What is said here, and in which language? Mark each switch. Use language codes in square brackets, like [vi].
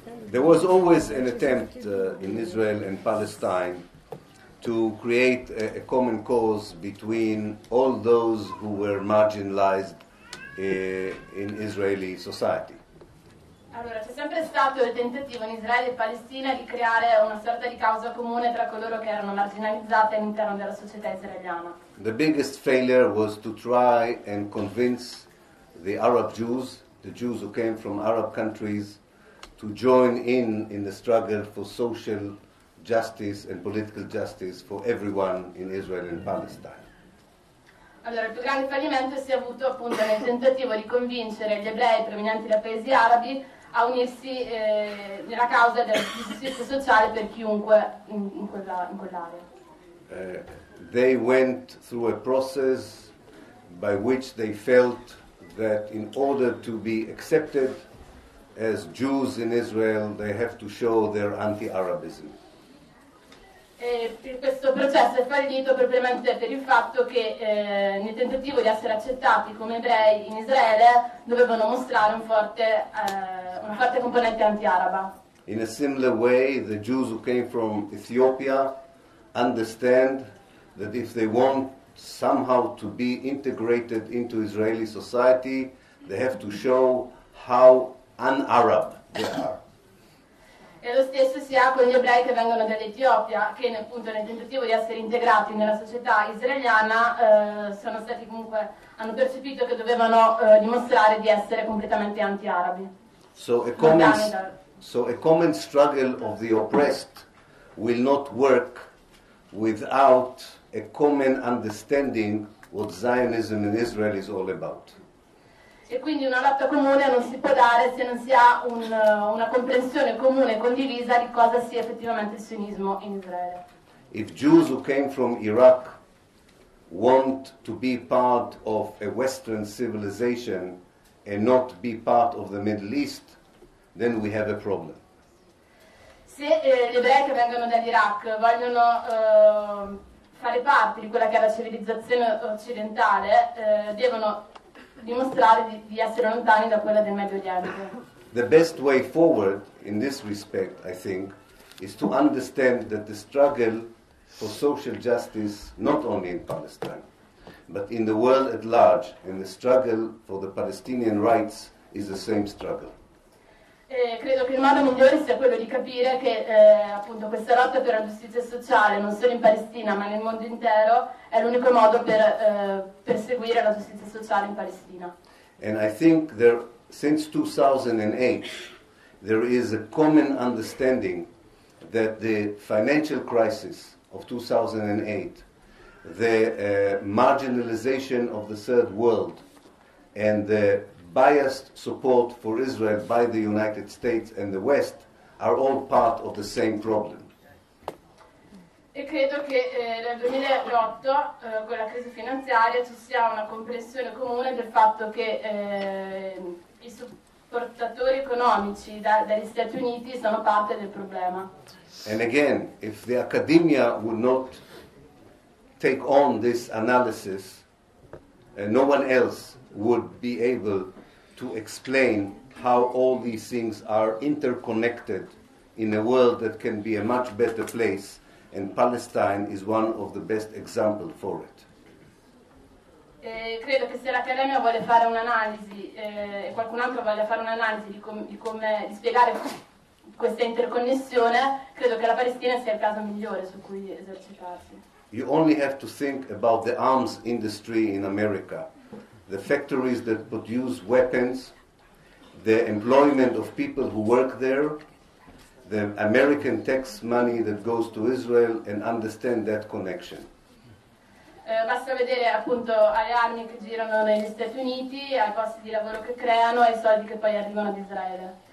[en] There was always an attempt in Israel and Palestine to create a common cause between all those who were marginalized in Israeli society. [it] Allora, c'è sempre stato il tentativo in Israele e Palestina di creare una sorta di causa comune tra coloro che erano marginalizzati all'interno della società israeliana. [en] The biggest failure was to try and convince the Arab Jews, the Jews who came from Arab countries, to join in the struggle for social justice and political justice for everyone in Israel and Palestine. [it] Allora, il più grande fallimento si è avuto appunto nel tentativo di convincere gli ebrei provenienti da paesi arabi a unirsi nella causa della giustizia sociale per chiunque in quell'area. [en] They went through a process by which they felt that in order to be accepted as Jews in Israel, they have to show their anti-Arabism. [it] Questo processo è fallito probabilmente per il fatto che nel tentativo di essere accettati come ebrei in Israele dovevano mostrare una forte componente anti-araba. [en] In a similar way, the Jews who came from Ethiopia understand that if they want somehow to be integrated into Israeli society, they have to show how un-Arab they are. [it] E lo stesso si ha con gli ebrei che vengono dall'Etiopia, che appunto nel tentativo di essere integrati nella società israeliana hanno percepito che dovevano dimostrare di essere completamente anti-arabi. [en] So a common struggle of the oppressed will not work without a common understanding what Zionism in Israel is all about. [it] E quindi una lotta comune non si può dare se non si ha una comprensione comune e condivisa di cosa sia effettivamente il sionismo in Israele. [en] if Jews who came from Iraq want to be part of a Western civilization and not be part of the Middle East, then we have a problem. [it] Se gli ebrei che vengono dall'Iraq vogliono fare parte di quella che è la civilizzazione occidentale, devono dimostrare di essere lontani da quella del Medio Oriente. [en] The best way forward in this respect, I think, is to understand that the struggle for social justice, not only in Palestine, but in the world at large, and the struggle for the Palestinian rights is the same struggle. [it] Credo che il modo migliore sia quello di capire che appunto questa lotta per la giustizia sociale, non solo in Palestina ma nel mondo intero, è l'unico modo per perseguire la giustizia sociale in Palestina. [en] And I think there, since 2008, there is a common understanding that the financial crisis of 2008, the marginalization of the third world, and the biased support for Israel by the United States and the West are all part of the same problem. [it] E credo che nel 2008, con la crisi finanziaria, ci sia una comprensione comune del fatto che i supportatori economici dagli Stati Uniti sono parte del problema. [en] And again, if the academia would not take on this analysis, no one else would be able to explain how all these things are interconnected in a world that can be a much better place, and Palestine is one of the best examples for it. [it] Credo che se l'Accademia vuole fare un'analisi, e qualcun altro voglia fare un'analisi di spiegare questa interconnessione, credo che la Palestina sia il caso migliore su cui esercitarsi. [en] You only have to think about the arms industry in America. The factories that produce weapons, the employment of people who work there, the American tax money that goes to Israel, and understand that connection. [it] Basta vedere appunto alle armi che girano negli Stati Uniti, ai posti di lavoro che creano, ai soldi che poi arrivano ad Israele.